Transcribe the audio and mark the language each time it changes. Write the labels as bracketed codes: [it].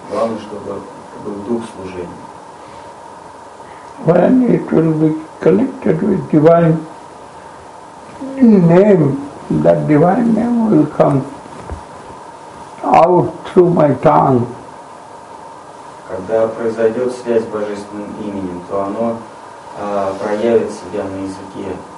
[ru] Главное, чтобы был дух служения. [en] When it will be connected with divine name, that divine name will come out through my tongue. [ru] Когда произойдет связь с божественным именем, то оно проявит себя на языке.